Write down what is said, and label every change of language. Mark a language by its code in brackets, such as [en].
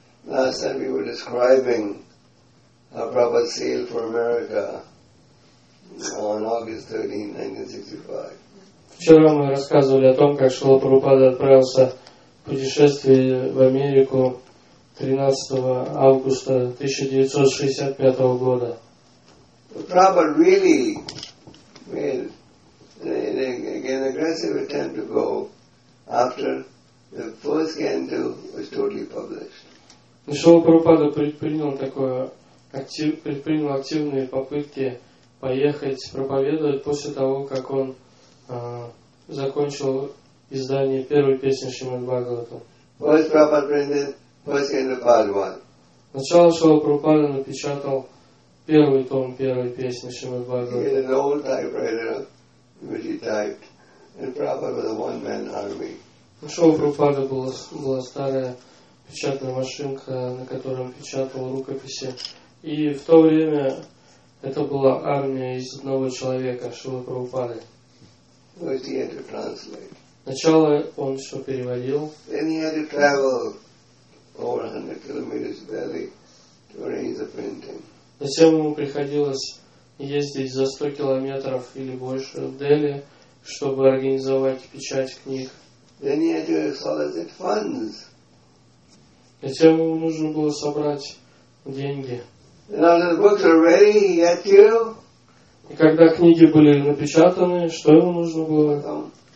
[en] Last time we were describing our Prabhupada's sail for America on August 13, 1965. [ru] Вчера мы рассказывали о том, как Шрила Прабхупада отправился в путешествие в Америку 13 августа 1965 года. [en] Prabhupada really made an aggressive attempt to go after the first canto was totally published. [ru] Шрила Прабхупада предпринял активные попытки поехать проповедовать после того, как он закончил издание первой песни Шримад Бхагаватам. [en] First Prabhupada printed first canto of Bhagavatam. [ru] Сначала Шрила Прабхупада напечатал первый том первой песни Шримад Бхагаватам. [en] He had an old typewriter which he typed, and Prabhupada was a one-man army. [ru] У Шрилы Прабхупады была старая печатная машинка, на которой он печатал рукописи. И в то время это была армия из одного человека, Шрилы Прабхупады. [en] First he had to translate. [ru] Сначала он все переводил. [en] Then he had to travel over 100 kilometers daily to arrange the printing. [ru] Затем ему приходилось ездить за 100 километров или больше в Дели, чтобы организовать печать книг. [en] Then he had to solicit funds. [ru] Затем ему нужно было собрать деньги. [en] Now the books are ready, he had to. [ru] И когда книги были напечатаны, что ему нужно было?